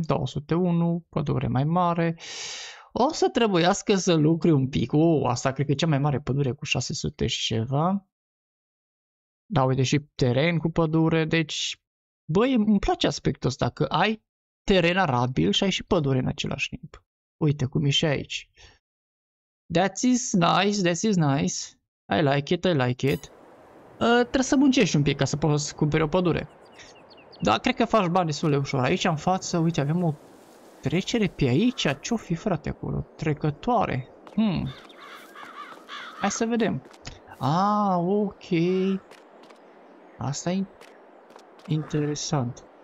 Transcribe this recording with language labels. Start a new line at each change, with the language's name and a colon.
Romanian: 201. Pădure mai mare. O să trebuiască să lucre un pic. O, asta cred că e cea mai mare pădure cu 600 și ceva. Da, uite și teren cu pădure. Deci, băi, îmi place aspectul ăsta. Că ai teren arabil și ai și pădure în același timp. Uite cum e și aici.
English: That is nice, that is nice. I like it, I like it.
Romanian: Trebuie să muncești un pic ca să poți să cumperi o pădure. Da, cred că faci bani destul de ușor. Aici în față, uite, avem o trecere pe aici? Ce-o fi, frate, acolo? Trecătoare? Hai să vedem. Ok. Asta e interesant.